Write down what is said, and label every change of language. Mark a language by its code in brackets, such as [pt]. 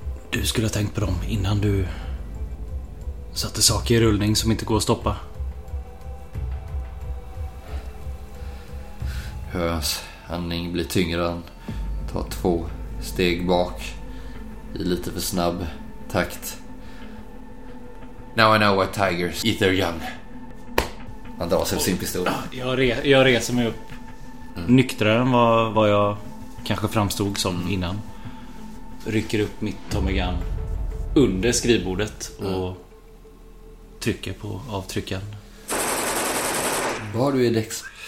[sv] "Du skulle ha tänkt på dem innan du satte saker i rullning som inte går att stoppa." Hör hans andning blir tyngre. Han tar två steg bak i lite för snabb takt. [en] "Now I know why tigers eat their young." [sv] Han drar sig sin pistol. Jag reser mig upp. Nyktrare än vad jag kanske framstod som innan. Rycker upp mitt Tommy Gun under skrivbordet och trycker på avtryckaren. Vad har du i Dex?